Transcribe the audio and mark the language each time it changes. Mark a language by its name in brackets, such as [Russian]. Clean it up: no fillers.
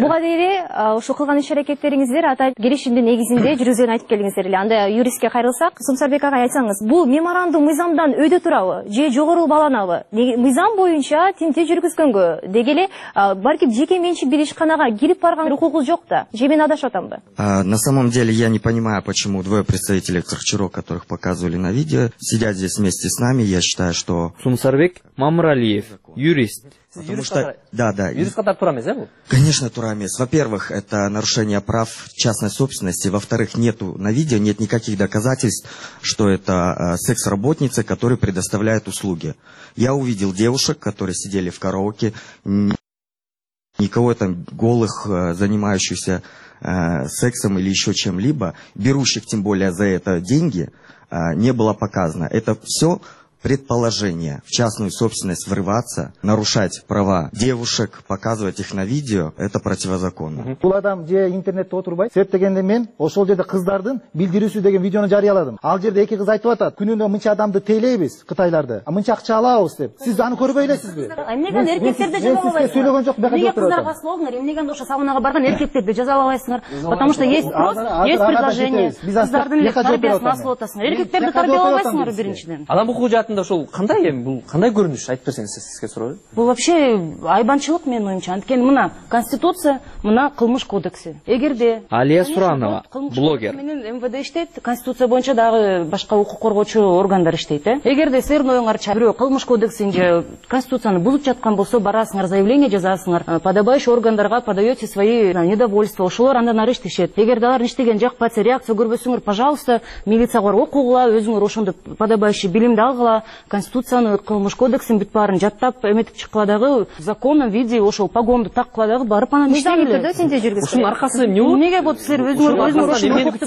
[Kyrgyz] Буга дейли ушул кылган иш аракеттериңиздер атайын келишимдин негизинде жүргүзгөнүн айтып келиңиздер эле. Анда юристке кайрылсак, Сумсарбек ага айтсаңыз, бул меморандум мыйзамдан өйдө турабы же жогору баланабы, мыйзам боюнча тинтүү жүргүзгөнгө, деги эле балким жеке менчик бир ишканага кирип барган укугубуз жок да, же мен адашып атамбы? [Russian] На самом деле я не понимаю, почему двое представителей 40 чурок, которых показывали на видео, сидят здесь вместе с нами. Я считаю, что Сумсарбек Мамыралиев, юрист. Потому что [Kyrgyz] юрист катары туура эмес э бул? Конечно, туура эмес. [Russian] Во-первых, это нарушение прав частной собственности. Во-вторых, нету на видео нет никаких доказательств, что это секс-работницы, которые предоставляют услуги. Я увидел девушек, которые сидели в караоке, никого там голых, занимающихся сексом или еще чем-либо, берущих тем более за это деньги, не было показано. Это все предположение в частную собственность врываться, нарушать права девушек, показывать их на видео, это противозаконно. [Kyrgyz] Куладам, [Russian] где [Kyrgyz] интернет отрубай, септегенде мен, ошол жерде кыздардын билдирүүсү деген видеону жарыяладым. Ал жерде эки кыз айтып атат, күнүнө мынча адамды тейлейбиз, кытайларды, а мынча акча алабыз деп. Сиз аны көрбөй элесизби? Эмнеге эркектерде жазалабайсыңар? Сиз сүйлөгөн жок, бекер отурасыңар. Эмнеге кыздарга слогнор, эмнеге ошо саунага барган эркектерде жазалабайсыңар? [Russian] Потому что есть спрос, есть предложение. [Kyrgyz] Кыздардын эле тарбиясын асып атасыңар. Эркектерди тарбиялабайсыңар биринчиден. Анан бул кудатында ошол кандай эми бул кандай көрүнүш айтып берсеңиз сизге суроо. Бул [Russian] вообще [Kyrgyz] айбанчылык менин оюмча. Анткени мына конституция, мына кылмыш кодекси. Эгерде Алия Суранова, блогер. Менин МВД иштейт, конституция боюнча дагы башка укук коргоочу органдар иштейт, э? Эгерде силердин оюңарча бирөө кылмыш кодексин же конституцияны бузуп жаткан болсо, барасыңар, заявление жазасыңар. [Russian] Подобающий [Kyrgyz] органдарга [Russian] подаете свои недовольства, [Kyrgyz] ошолор андан ары иштешет. Эгерде алар иштеген жакпайса, реакция көрбөсөңөр, [Russian] пожалуйста, [Kyrgyz] милицияга окугула, өзүңөр ошондой [Russian] подобающий [Kyrgyz] билимди алгыла, конституцияны, кылмыш кодексин бүт баарын жаттап эметип чыккыла дагы, [Russian] законом виде [Kyrgyz] ошол погонду таккыла дагы, барып анан иштегиле. Ушунун аркасы эмне болот? Эмнеге болот силер өзүңөр өзүңөр ошол укукту